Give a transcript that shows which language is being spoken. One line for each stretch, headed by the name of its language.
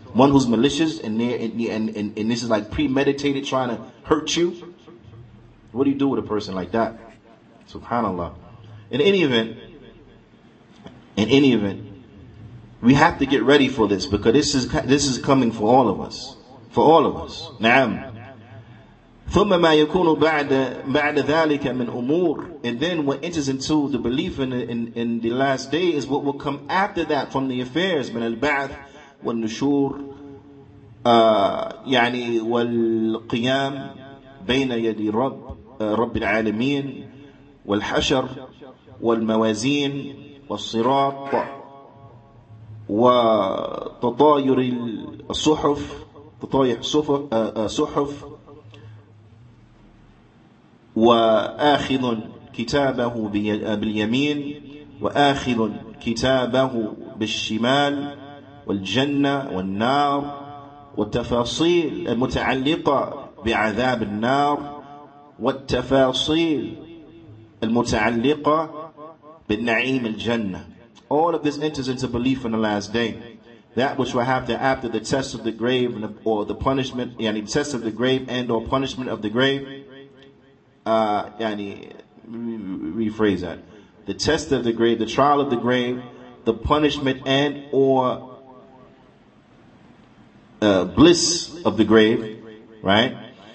English: One who's malicious and this is like premeditated, trying to hurt you. What do you do with a person like that? Subhanallah. In any event, we have to get ready for this, because this is coming for all of us. For all of us. Naam.
Arabic: ثم ما يكون بعد ذلك من أمور.
English: And then what enters into the belief in the last day is what will come after that from the affairs.
Arabic: من البعث والنشور يعني والقيام بين يدي رب العالمين والحشر والموازين والصراط وتطاير الصحف تطاير صحف وآخذ كتابه باليمين وآخذ كتابه بالشمال والجنة والنار والتفاصيل المتعلقة بعذاب النار والتفاصيل المتعلقة بالنعيم الجنة.
English: All of this enters into belief in the last day. That which will happen after the test of the grave or the punishment, yani test of the grave and or punishment of the grave. Rephrase that. The test of the grave, the trial of the grave, the punishment and or bliss of the grave, right?